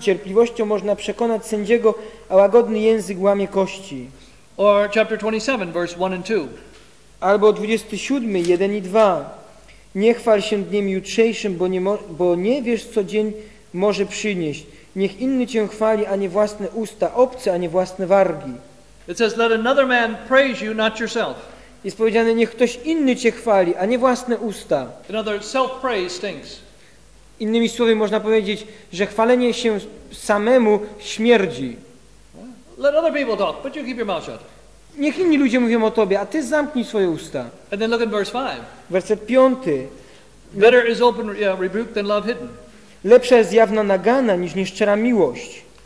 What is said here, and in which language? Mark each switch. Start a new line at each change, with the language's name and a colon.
Polish: Cierpliwością można przekonać sędziego, a łagodny język łamie kości.
English: Or chapter 27, verse 1 and 2.
Polish: Albo 27:1-2. Nie chwal się dniem jutrzejszym, bo nie wiesz, co dzień może przynieść. Niech inny cię chwali, a nie własne usta, obce, a nie własne wargi.
English: It says, let another man praise you, not yourself.
Polish: Jest powiedziane, niech ktoś inny cię chwali, a nie własne usta.
English: In other words, self-praise stinks.
Polish: Innymi słowy, można powiedzieć, że chwalenie się samemu śmierdzi.
English: Let other people talk, but you keep your mouth shut.
Polish: Niech inni ludzie mówią o tobie, a ty zamknij swoje usta.
English: And then look at verse 5.
Polish: Werset 5.
English: Better is open rebuke than love hidden.
Polish: Lepsza jest jawna nagana niż nieszczera miłość.